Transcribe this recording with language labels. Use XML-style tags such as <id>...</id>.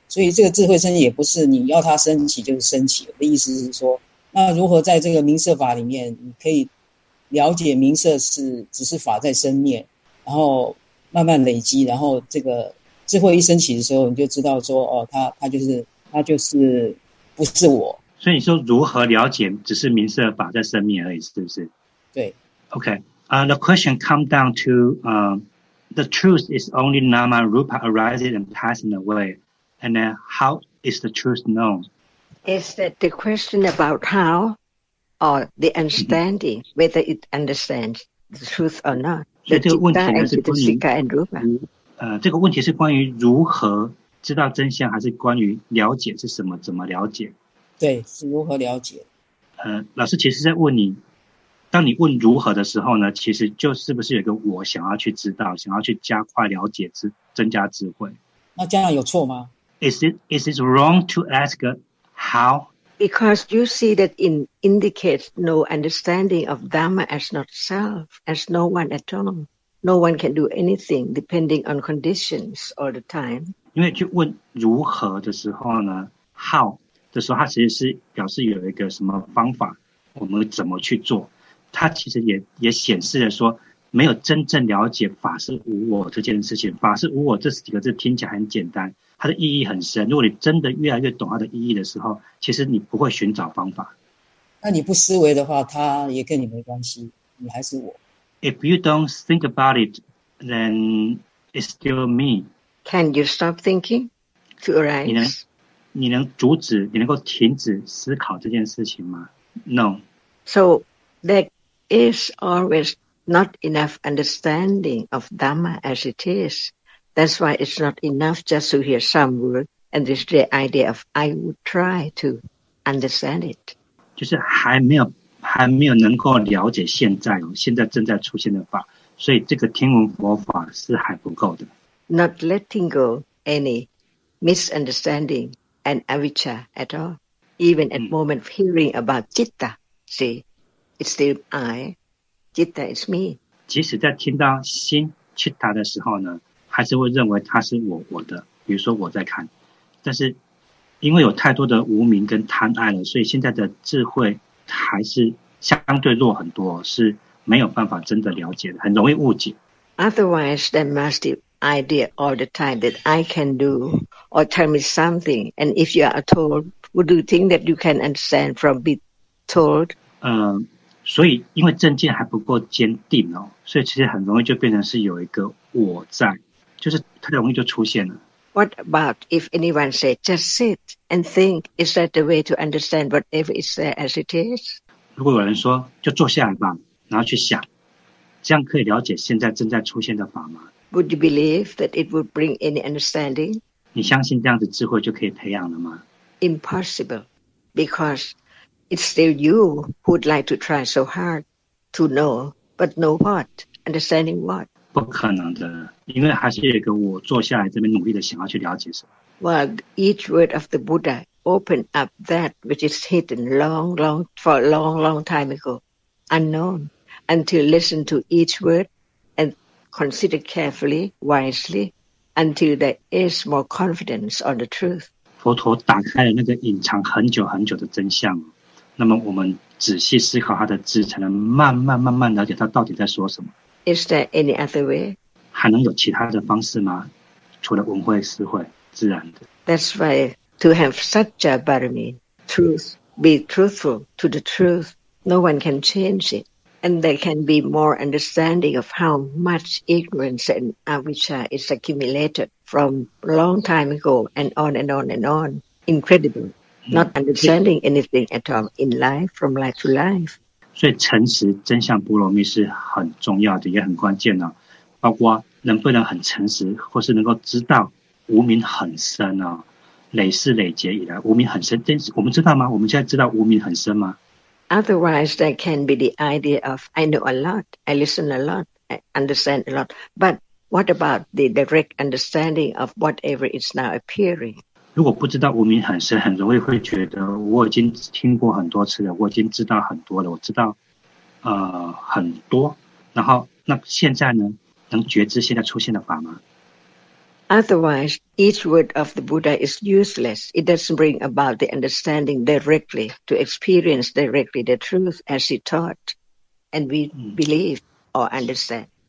<zh>所以这个智慧升起也不是你要它升起就是升起，我的意思是说那如何在这个名色法里面你可以了解名色是只是法在生灭，然后慢慢累积，然后这个智慧一升起的时候你就知道说哦，它就是不是我。所以你说如何了解只是名色法在生灭而已，是不是？对。</zh> <en>OK the question come down to the truth is only nama rupa arises and passing away, and then how is the truth known? Is that the question about how or the understanding,、mm-hmm. whether it understands the truth or not?</en> <zh>这个问题是关于如何知道真相，还是关于了解是什么，怎么了解？对，是如何了解。老师其实在问你，当你问如何的时候呢，其实就是不是有一个我想要去知道，想要去加快了解，增加智慧。那这样有错吗？</zh> <en>Is it wrong to ask how? Because you see that it indicates no understanding of Dhamma as not self, as no one at all. No one can do anything depending on conditions all the time.</en> <zh>因为去问如何的时候呢 ,how 的时候它其实是表示有一个什么方法我们怎么去做。它其实也显示了说没有真正了解法是无我这件事情。法是无我这几个字听起来很简单。它的意义很深，如果你真的越来越懂它的意义的时候，其实你不会寻找方法。那你不思维的话，它也跟你没关系，你还是我。</zh> <en>If you don't think about it, then it's still me. Can you stop thinking to arise?</en> <zh>你能阻止，你能够停止思考这件事情吗 ？</zh> <en>No. So there is always not enough understanding of Dhamma as it is. That's why it's not enough just to hear some word, and this is the idea of I would try to understand it.</en> <zh>就是还没有能够了解现在正在出现的法，所以这个听闻佛法是还不够的。</zh> <en>Not letting go any misunderstanding and avicca at all, even at moment of hearing about citta, see, it's still I, citta is me.</en> <zh>即使在听到心 citta 的时候呢？还是会认为它是我的，比如说我在看，但是因为有太多的无明跟贪爱了，所以现在的智慧还是相对弱很多，是没有办法真的了解的，很容易误解。</zh> <en>Otherwise, there must be idea all the time that I can do or tell me something. And if you are told, would you think that you can understand from being told?</en> <zh>所以因为正见还不够坚定哦，所以其实很容易就变成是有一个我在。就是特别容易就出现了。</zh> <en>What about if anyone say just sit and think? Is that the way to understand whatever is there as it is?</en> <zh>如果有人说就坐下来吧，然后去想，这样可以了解现在正在出现的法吗</zh> <en>Would you believe that it would bring any understanding?</en> <zh>你相信这样子智慧就可以培养了吗？</zh> <en>Impossible, because it's still you who would like to try so hard to know, but know what? Understanding what?</en> <zh>不可能的，因为还是有一个我坐下来这边努力的想要去了解什么。</zh> <en>Well, each word of the Buddha opened up that which is hidden long, long, for a long, long time ago, unknown, until listen to each word and consider carefully, wisely, until there is more confidence on the truth.</en> <zh>佛陀打开了那个隐藏很久很久的真相，那么我们仔细思考他的字，才能慢慢慢慢了解他到底在说什么。</zh> <en>Is there any other way?</en> <zh>还能有其他的方式吗？除了文慧、智慧、自然的。</zh> <en>That's why to have such a barami, truth, be truthful to the truth, no one can change it. And there can be more understanding of how much ignorance and avijja is accumulated from long time ago and on and on and on. Incredible. Not understanding anything at all in life, from life to life.</en> <zh>所以诚实真相波罗蜜是很重要的，也很关键的，包括能不能很诚实，或是能够知道无明很深啊，累世累劫以来无明很深，真我们知道吗？我们现在知道无明很深吗？</zh> <en>Otherwise, there can be the idea of I know a lot, I listen a lot, I understand a lot. But what about the direct understanding of whatever is now appearing?</en> <zh>如果不知道无明很深，很容易会觉得我已经听过很多次了，我已经知道很多了，我知道很多。然后那现在呢？能觉知现在出现的法吗？</zh> <en>Otherwise, each word of the Buddha is useless. It doesn't bring about the understanding directly to experience directly the truth as he taught, and we believe or understand.</en>